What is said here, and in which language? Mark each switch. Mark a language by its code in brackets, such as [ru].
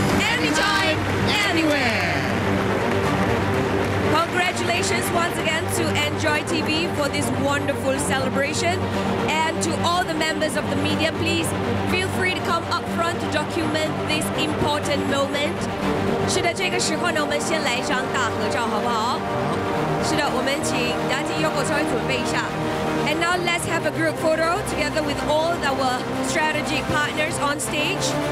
[en] Anytime, anywhere. Congratulations once again to Enjoy TV for this wonderful celebration. And to all the members of the media, please feel free to come up front to document this important moment. [zh] 是的，这个时候呢，我们先来一张大合照，好不好？是的，我们请达金优果稍微准备一下。 [en] And now let's have a group photo together with all our strategic partners on stage.